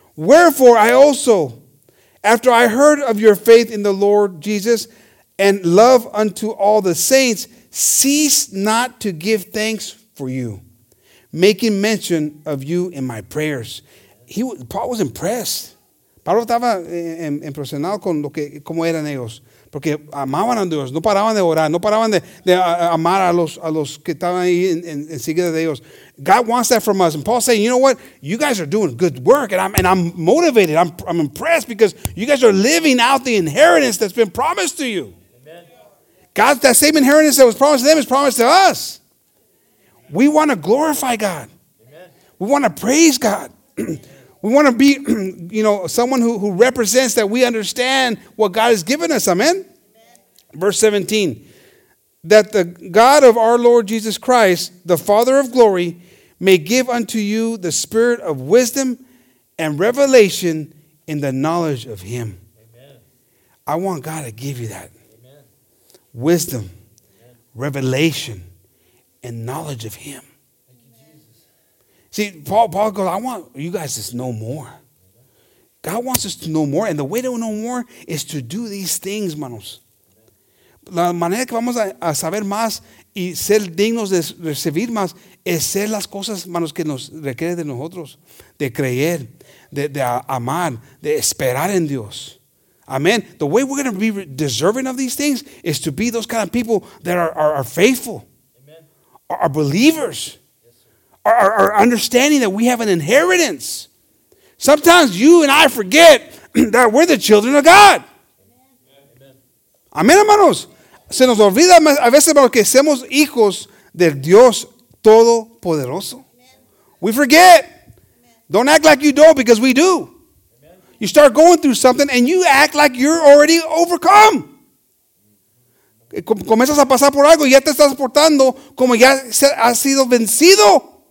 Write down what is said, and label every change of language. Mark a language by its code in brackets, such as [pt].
[en] Wherefore I also, after I heard of your faith in the Lord Jesus and love unto all the saints, cease not to give thanks for you, making mention of you in my prayers. Paul was impressed. [es] Pablo estaba impresionado con lo que como eran ellos. Porque amaban a Dios, no paraban de orar, no paraban de amar a los que estaban ahí en seguida de ellos. [en] God wants that from us. And Paul's saying, you know what? You guys are doing good work, and I'm motivated. I'm impressed because you guys are living out the inheritance that's been promised to you. Amen. God, that same inheritance that was promised to them is promised to us. We want to glorify God. Amen. We want to praise God. We want to be, you know, someone who represents that we understand what God has given us. Amen? Amen. Verse 17. That the God of our Lord Jesus Christ, the Father of glory, may give unto you the spirit of wisdom and revelation in the knowledge of him. Amen. I want God to give you that. Amen. Wisdom, amen. Revelation, and knowledge of him. See, Paul goes, I want you guys to know more. God wants us to know more. And the way to know more is to do these things, manos. [es] La manera que vamos a saber más y ser dignos de recibir más es ser las cosas, manos, que nos requiere de nosotros. De creer, de amar, de esperar en Dios. Amen. [en] The way we're going to be deserving of these things is to be those kind of people that are faithful. Amen. Are believers. Our understanding that we have an inheritance. Sometimes you and I forget that we're the children of God. Amen, hermanos. [es] Se nos olvida a veces que somos hijos del Dios Todopoderoso. [en] We forget. Don't act like you don't, because we do. You start going through something and you act like you're already overcome. [es] Comienzas a pasar por algo y ya te estás portando como ya has sido vencido.